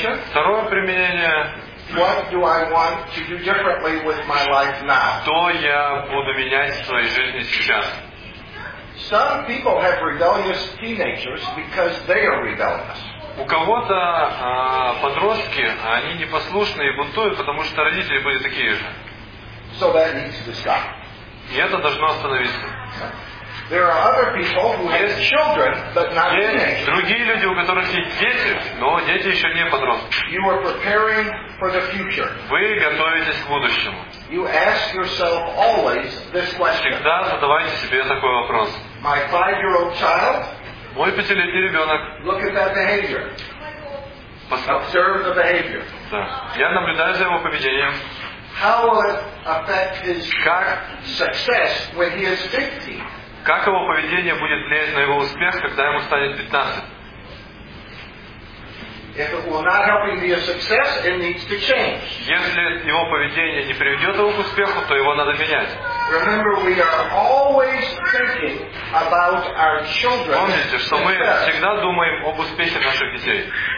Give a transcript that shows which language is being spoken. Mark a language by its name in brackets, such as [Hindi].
[Russian] Второе применение. Что я буду менять в своей жизни сейчас? [English] Some people have rebellious teenagers because they are rebellious. [Russian] У кого-то подростки, они непослушные и бунтуют, потому что родители были такие же. [English] So that needs to stop. [Russian] И это должно остановиться. [English] There are other people who have children, but not teenagers. [Russian] Другие люди, у которых есть дети, но дети еще не подростки. [English] You are preparing for the future. [Russian] Вы готовитесь к будущему. [English] You ask yourself always this question. [Russian] Всегда задавайте себе такой вопрос. [English] My five-year-old child. [Russian] Мой пятилетний ребенок. [English] Look at that behavior. Observe the behavior. [Russian] Да. Я наблюдаю за его поведением. [English] How will it affect his success when he is 15? [Russian] Как его поведение будет влиять на его успех, когда ему станет 15? [English] If it will not help him be a success, it needs to change. [Russian] Если его поведение не приведет его к успеху, то его надо менять. [English] Remember, we are always thinking about our children. [Russian] Помните, что мы всегда думаем об успехе наших детей.